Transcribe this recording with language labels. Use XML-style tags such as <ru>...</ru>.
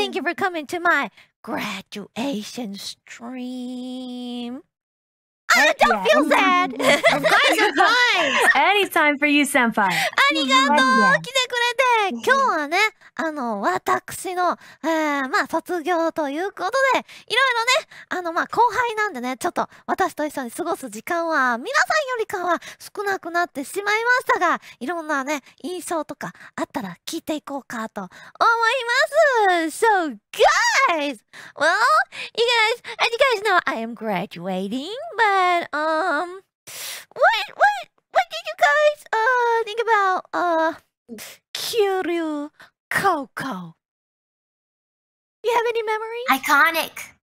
<en>みんな、 Thank you for coming to my graduation streamI don't feel sad! I'm glad you're fine! Anytime for you, senpai!</en> <ja>ありがとう、来てくれて。今日はね、私の、卒業ということで、いろいろね、後輩なんでね、ちょっと私と一緒に過ごす時間は、皆さんよりかは少なくなってしまいましたが、いろんなね、印象とかあったら聞いていこうかと思います !</ja> <en>So, guys! Well, as you guys know, I am graduating, but, what did you guys, think about, kiryu coco? You have any memories? Iconic?</en>